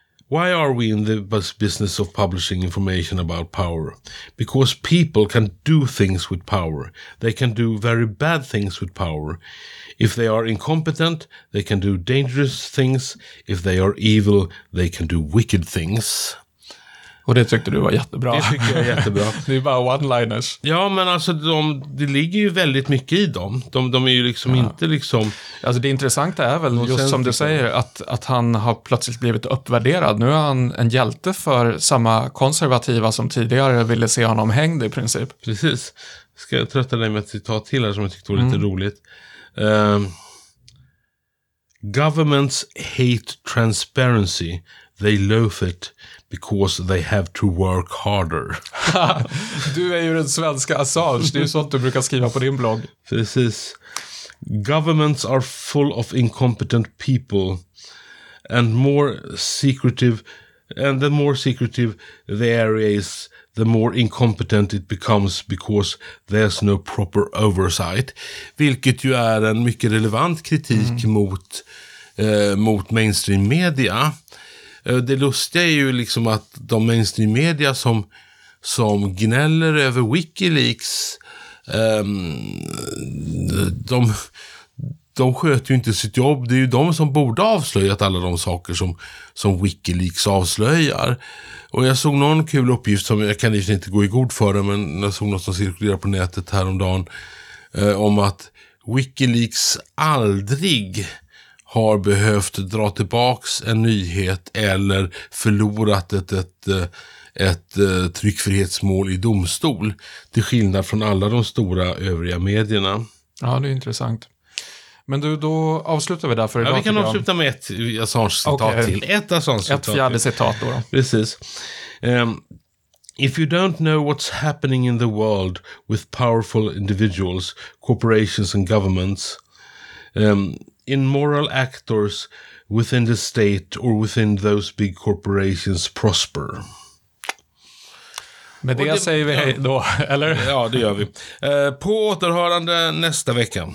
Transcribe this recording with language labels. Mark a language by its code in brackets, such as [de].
[en] Why are we in the business of publishing information about power? Because people can do things with power. They can do very bad things with power. If they are incompetent, they can do dangerous things. If they are evil, they can do wicked things. [sv] Och det tyckte du var jättebra. Det tycker jag är jättebra. Det är bara one-liners. Ja, men alltså det ligger ju väldigt mycket i dem. De är ju liksom inte liksom... Alltså det intressanta är väl just som du säger att han har plötsligt blivit uppvärderad. Nu är han en hjälte för samma konservativa som tidigare ville se honom hängd i princip. Precis. Ska jag trötta dig med ett citat till här som jag tyckte var lite roligt. [en] Governments hate transparency. They loathe it because they have to work harder. [sv] Du är ju den svenska Assange. Det är ju sånt du brukar skriva på din blogg. Precis. [en] Governments are full of incompetent people. And more secretive, and the more secretive the area is, the more incompetent it becomes because there's no proper oversight. [sv] Vilket ju är en mycket relevant kritik mot mainstream media. Det lustiga är ju liksom att de mainstream media som gnäller över WikiLeaks, de sköter ju inte sitt jobb. Det är ju de som borde ha avslöjat alla de saker som WikiLeaks avslöjar. Och jag såg någon kul uppgift som jag kan inte gå i god för det, men jag såg något som cirkulerade på nätet häromdagen om att WikiLeaks aldrig har behövt dra tillbaks en nyhet eller förlorat ett tryckfrihetsmål i domstol. Till skillnad från alla de stora övriga medierna. Ja, det är intressant. Men du, då avslutar vi där för idag. Ja, vi kan avsluta med ett Assange-citat till. Ett Assange-citat. Ett fjärde citat då. Precis. [en] If you don't know what's happening in the world with powerful individuals, corporations and governments, in moral actors within the state or within those big corporations prosper. [sv] Men det säger vi då, eller? Ja, det gör vi. På återhörande nästa vecka.